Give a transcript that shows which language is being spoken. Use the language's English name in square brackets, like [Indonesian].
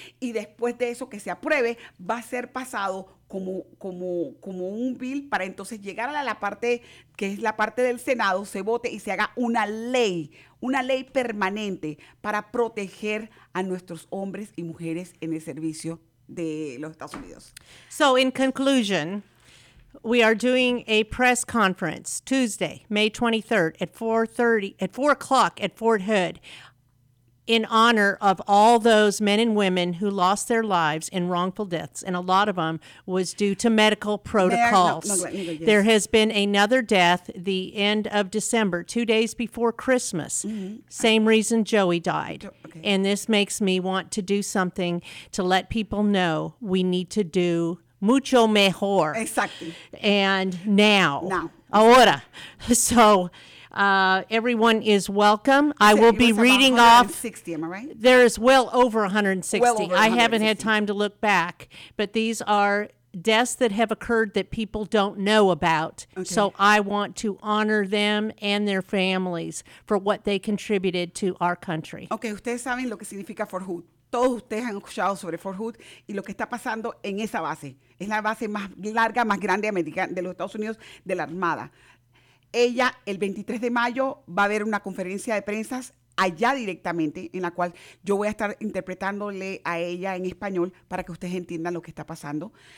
[Spanish] y después de eso que se apruebe, va a ser pasado como un bill para entonces llegar a la parte que es la parte del Senado, se vote y se haga una ley permanente para proteger a nuestros hombres y mujeres en el servicio de los Estados Unidos. [English] So in conclusion, we are doing a press conference Tuesday, May 23rd at 4 o'clock at Fort Hood, in honor of all those men and women who lost their lives in wrongful deaths, and a lot of them was due to medical protocols. There has been another death the end of December, 2 days before Christmas. Same reason Joey died. And this makes me want to do something to let people know we need to do [Spanish] mucho mejor. [English] Exactly. And now. Now. Ahora. So everyone is welcome. I will be reading off. 160, am I right? There is well over 160. Well over 160. I haven't had time to look back, but these are deaths that have occurred that people don't know about. Okay. So I want to honor them and their families for what they contributed to our country. [Spanish] Okay, ustedes saben lo que significa Fort Hood. Todos ustedes han escuchado sobre Fort Hood y lo que está pasando en esa base. Es la base más larga, más grande de los Estados Unidos, de la Armada. Ella, el 23 de mayo, va a haber una conferencia de prensa allá directamente, en la cual yo voy a estar interpretándole a ella en español para que ustedes entiendan lo que está pasando.